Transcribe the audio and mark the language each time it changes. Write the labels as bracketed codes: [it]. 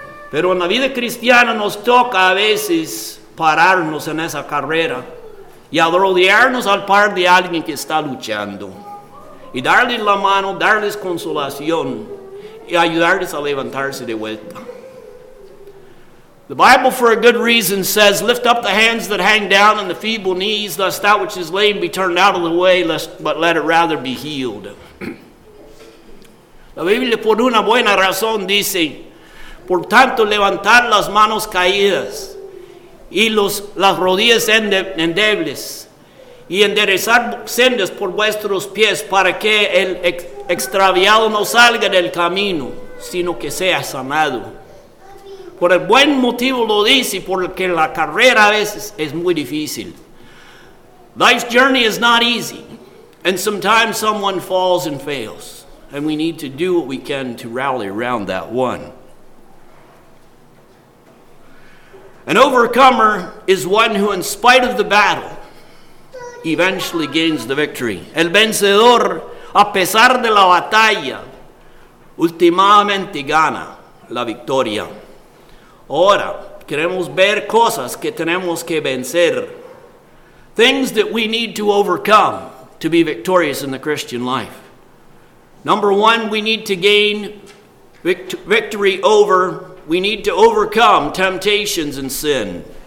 [es] Pero en la vida cristiana nos toca a veces pararnos en esa carrera y rodearnos al par de alguien que está luchando y darles la mano, darles consolación y ayudarles a levantarse de vuelta. [en] The Bible, for a good reason, says, lift up the hands that hang down and the feeble knees, lest that which is lame be turned out of the way, but let it rather be healed. [es] La Biblia, por una buena razón, dice, por tanto, levantar las manos caídas y las rodillas endebles y enderezar sendas por vuestros pies para que el extraviado no salga del camino, sino que sea sanado. Por el buen motivo lo dice, porque la carrera a veces es muy difícil. [en] Life's journey is not easy, and sometimes someone falls and fails, and we need to do what we can to rally around that one. An overcomer is one who, in spite of the battle, eventually gains the victory. [es] El vencedor, a pesar de la batalla, últimamente gana la victoria. Ahora, queremos ver cosas que tenemos que vencer. [en] Things that we need to overcome to be victorious in the Christian life. Number one, we need to gain victory over, we need to overcome temptations and sin.